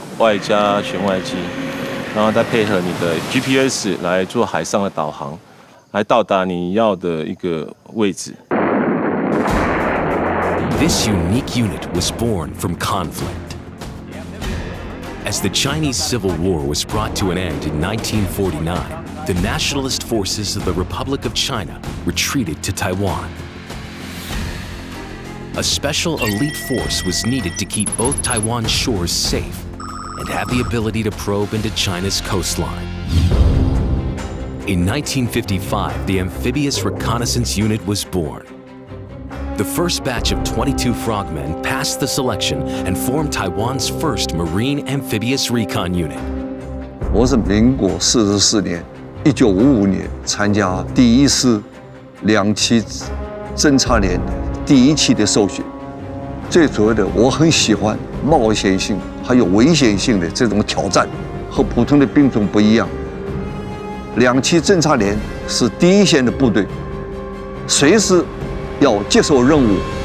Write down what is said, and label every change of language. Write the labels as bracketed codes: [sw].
[zh] 乘坐的一个载具一般是橡皮艇，都是用利用动力操作，就是外加舷外机，然后再配合你的 GPS 来做海上的导航，来到达你要的一个位置。 [en] This unique unit was born from conflict. As the Chinese Civil War was brought to an end in 1949, the nationalist forces of the Republic of China retreated to Taiwan. A special elite force was needed to keep both Taiwan's shores safe and have the ability to probe into China's coastline. In 1955, the Amphibious Reconnaissance Unit was born. The first batch of 22 frogmen passed the selection and formed Taiwan's first Marine Amphibious Recon Unit. [zh] 我是民国44年, 1955年参加第一师两栖侦察连第一期的受训。最主要的，我很喜欢冒险性还有危险性的这种挑战，和普通的兵种不一样。两栖侦察连是第一线的部队，随时 要接受任务。